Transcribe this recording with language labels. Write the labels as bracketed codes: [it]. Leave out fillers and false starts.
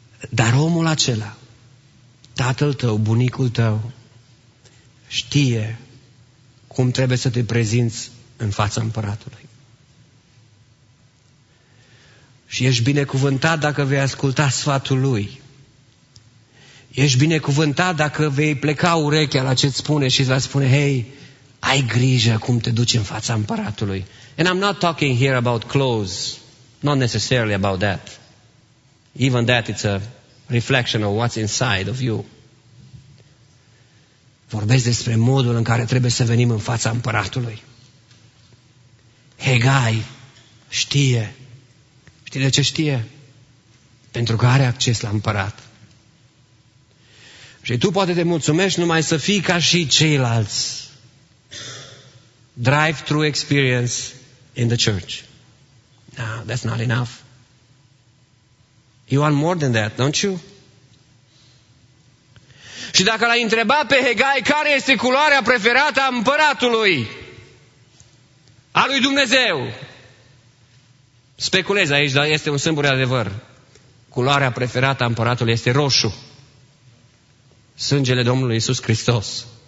[ro] Dar omul acela, tatăl tău, bunicul tău, știe cum trebuie să te prezinți în fața împăratului. Și ești binecuvântat dacă vei asculta sfatul lui. Ești binecuvântat dacă vei pleca urechea la ce-ți spune și îți va spune: hei, ai grijă cum te duci în fața împăratului. [en] And I'm not talking here about clothes. Not necessarily about that. Even that, it's a reflection of what's inside of you. [ro] Vorbesc despre modul în care trebuie să venim în fața împăratului. Hegai știe. Știi de ce știe? Pentru că are acces la împărat. Și tu poate te mulțumești numai să fii ca și ceilalți. [en] Drive-thru experience in the church. No, that's not enough. You want more than that, don't you? [ro] Și dacă l-ai întrebat pe Hegai care este culoarea preferată a împăratului, a lui Dumnezeu, speculez aici, dar este un simplu adevăr. Culoarea preferată a împăratului este roșu. Sângele Domnului Iisus Hristos.